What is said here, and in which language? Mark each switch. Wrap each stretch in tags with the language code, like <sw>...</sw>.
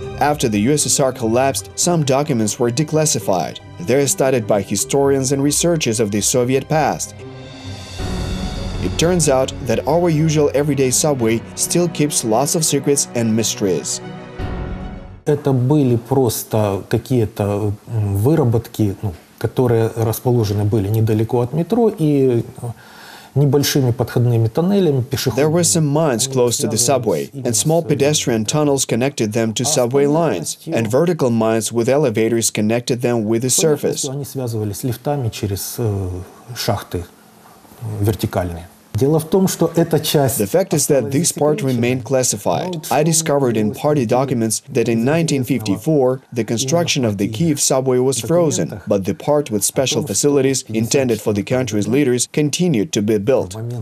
<en>After the USSR collapsed, some documents were declassified. They're studied by historians and researchers of the Soviet past. It turns out that our usual everyday subway still keeps lots of secrets and mysteries.</en> <ru>Это были просто какие-то выработки, которые расположены были недалеко от метро и</ru> <en>There were some mines close to the subway, and small pedestrian tunnels connected them to subway lines, and vertical mines with elevators connected them with the surface.</en> <ru>Они связывались лифтами через шахты вертикальные.</ru> <en>The fact is that this part remained classified. I discovered in party documents that in 1954 the construction of the Kyiv subway was frozen, but the part with special facilities intended for the country's leaders continued to be built.</en>